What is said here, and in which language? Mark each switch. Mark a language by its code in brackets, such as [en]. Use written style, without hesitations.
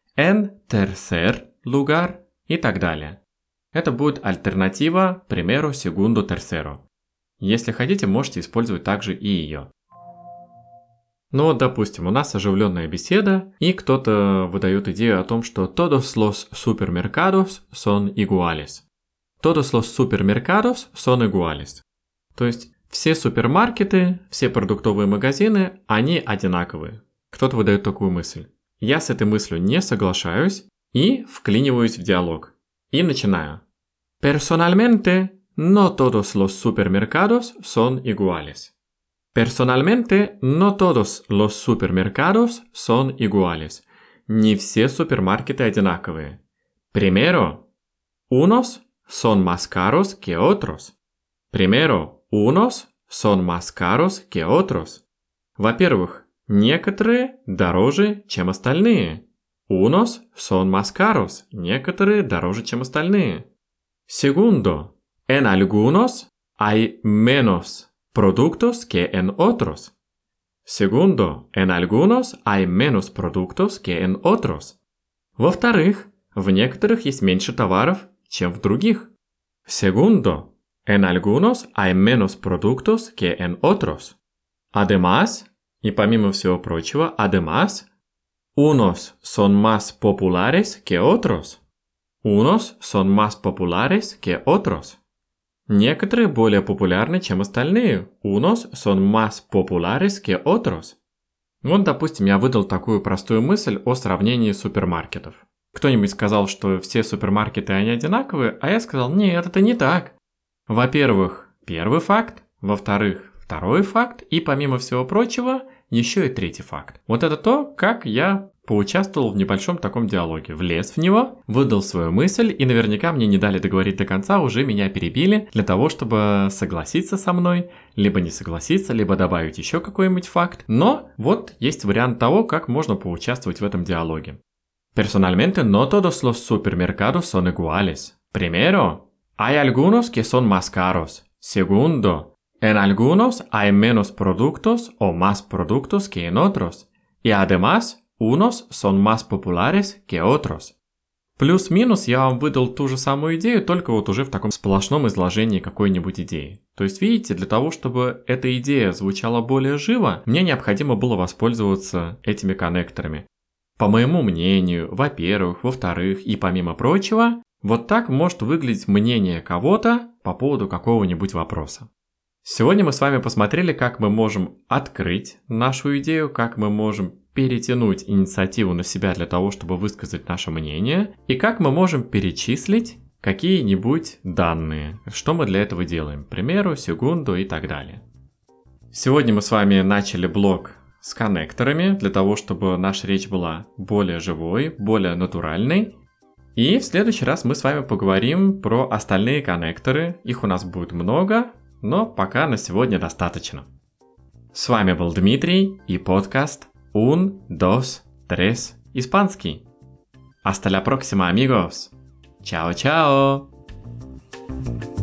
[es] en tercer lugar [ru] и так далее. Это будет альтернатива [es] primero, segundo, tercero. [ru] Если хотите, можете использовать также и ее. Ну вот, допустим, у нас оживленная беседа, и кто-то выдает идею о том, что [es] todos los supermercados son iguales. Todos los supermercados son iguales. [ru] То есть все супермаркеты, все продуктовые магазины, они одинаковые. Кто-то выдает такую мысль. Я с этой мыслью не соглашаюсь и вклиниваюсь в диалог. И начинаю. [es] Personalmente, no todos los supermercados son iguales. Personalmente, no todos los supermercados son iguales. [ru] Не все супермаркеты одинаковые. [es] Primero, unos son más caros que otros. Primero, unos son más caros que otros. [ru] Во-первых, некоторые дороже, чем остальные. [es] Unos son más caros. [ru] Некоторые дороже, чем остальные. [es] Segundo, en algunos hay menos productos que en otros. Segundo, en algunos hay menos productos que en otros. [ru] Во-вторых, в некоторых есть меньше товаров, чем в других. [es] Segundo, en algunos hay menos productos que en otros. Además, [ru] и помимо всего прочего, [es] además, unos son más populares que otros. Unos son más populares que otros. [ru] Некоторые более популярны, чем остальные. [es] Unos son más populares que otros. [ru] Вот, допустим, я выдал такую простую мысль о сравнении супермаркетов. Кто-нибудь сказал, что все супермаркеты, они одинаковые, а я сказал, нет, это не так. Во-первых, первый факт, во-вторых, второй факт, и помимо всего прочего, еще и третий факт. Вот это то, как я поучаствовал в небольшом таком диалоге. Влез в него, выдал свою мысль, и наверняка мне не дали договорить до конца, уже меня перебили для того, чтобы согласиться со мной, либо не согласиться, либо добавить еще какой-нибудь факт. Но вот есть вариант того, как можно поучаствовать в этом диалоге. [es] Personalmente, no todos los supermercados son iguales. Primero, hay algunos que son más caros. Segundo, en algunos hay menos productos o más productos que en otros. Y además, unos son más populares que otros. [ru] Плюс-минус я вам выдал ту же самую идею, только вот уже в таком сплошном изложении какой-нибудь идеи. То есть, видите, для того, чтобы эта идея звучала более живо, мне необходимо было воспользоваться этими коннекторами. По моему мнению, во-первых, во-вторых и помимо прочего, вот так может выглядеть мнение кого-то по поводу какого-нибудь вопроса. Сегодня мы с вами посмотрели, как мы можем открыть нашу идею, как мы можем перетянуть инициативу на себя для того, чтобы высказать наше мнение, и как мы можем перечислить какие-нибудь данные, что мы для этого делаем, к примеру, секунду и так далее. Сегодня мы с вами начали блок с коннекторами, для того, чтобы наша речь была более живой, более натуральной. И в следующий раз мы с вами поговорим про остальные коннекторы. Их у нас будет много, но пока на сегодня достаточно. С вами был Дмитрий и подкаст Un, Dos, Tres, Испанский. [es] Hasta la próxima, amigos! [ru] Чао-чао!